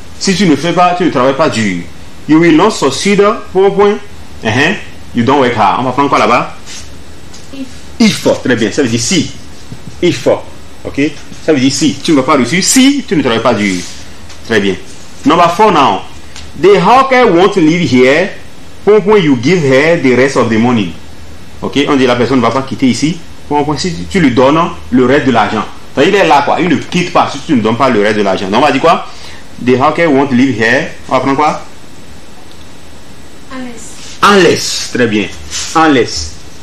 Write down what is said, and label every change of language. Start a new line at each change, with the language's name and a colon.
French: Si tu ne fais pas, tu ne travailles pas dur.
English: You will not succeed. Point, point. You don't work hard.
French: On va prendre quoi là-bas?
English: If.
French: Très bien. Ça veut dire si. If. Ok, ça veut dire si tu ne vas pas réussir, si tu ne travailles pas dur. Très bien.
English: Number 4 now. The hawker won't live here. Point, point, you give her the rest of the money.
French: Ok, on dit la personne ne va pas quitter ici. Point, point, si tu lui donnes le reste de l'argent. Donc, il est là quoi. Il ne quitte pas si tu ne donnes pas le reste de l'argent. Donc on va dire quoi?
English: The hawker won't live here.
French: On va prendre quoi?
English: Unless.
French: Très bien. Unless.